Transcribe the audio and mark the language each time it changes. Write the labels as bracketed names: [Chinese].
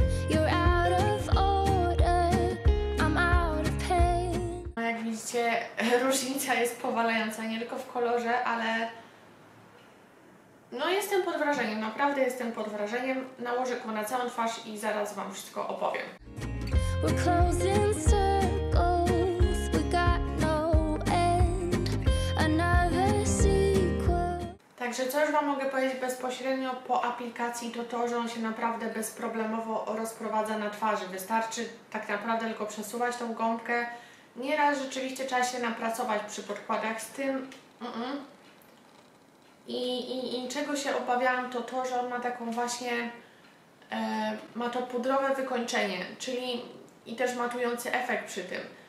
[English] You're out of order. I'm out of pain. [Polish] Jak widzicie, różnica jest powalająca, nie tylko w kolorze, ale no jestem pod wrażeniem, naprawdę jestem pod wrażeniem. Nałożę go na całą twarz i zaraz Wam wszystko opowiem. [English] We're closing circles, we got no end, another sequel. [Polish] Także co już Wam mogę powiedzieć bezpośrednio po aplikacji, to to, że on się naprawdę bezproblemowo rozprowadza na twarzy. Wystarczy tak naprawdę tylko przesuwać tą gąbkę. Nieraz rzeczywiście trzeba się napracować przy podkładach z tym. I czego się obawiałam, to to, że on ma taką właśnie, ma to pudrowe wykończenie, czyli i też matujący efekt przy tym.